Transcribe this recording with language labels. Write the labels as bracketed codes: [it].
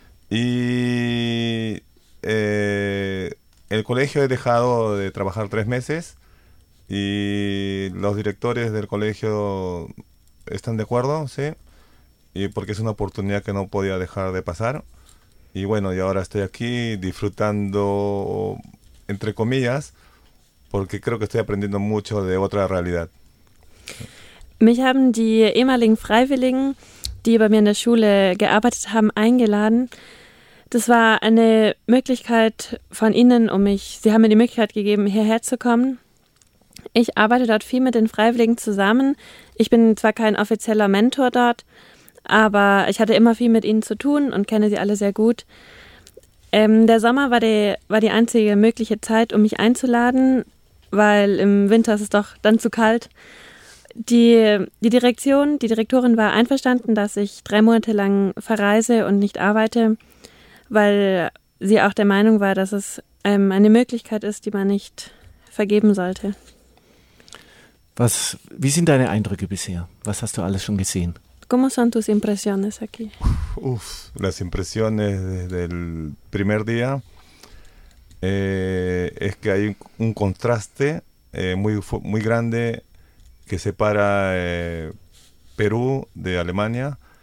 [es] Y el colegio he dejado de trabajar 3 meses y los directores del colegio están de acuerdo, sí, y porque es una oportunidad que no podía dejar de pasar. Y bueno, y ahora estoy aquí disfrutando, entre comillas, porque creo que estoy aprendiendo mucho de otra realidad. [de] Mich haben die ehemaligen Freiwilligen, die bei mir in der Schule gearbeitet haben, eingeladen. Das war eine Möglichkeit von ihnen, sie haben mir die Möglichkeit gegeben, hierher zu kommen. Ich arbeite dort viel mit den Freiwilligen zusammen. Ich bin zwar kein offizieller Mentor dort, aber ich hatte immer viel mit ihnen zu tun und kenne sie alle sehr gut. Der Sommer war die einzige mögliche Zeit, um mich einzuladen, weil im Winter ist es doch dann zu kalt. Die Direktorin war einverstanden, dass ich 3 Monate lang verreise und nicht arbeite, weil sie auch der Meinung war, dass es eine Möglichkeit ist, die man nicht vergeben sollte. Wie sind deine Eindrücke bisher? Was hast du alles schon gesehen? [es] ¿Cómo son tus impresiones aquí? Las impresiones del primer día es que hay un contraste muy, muy grande que separa Perú de Alemania.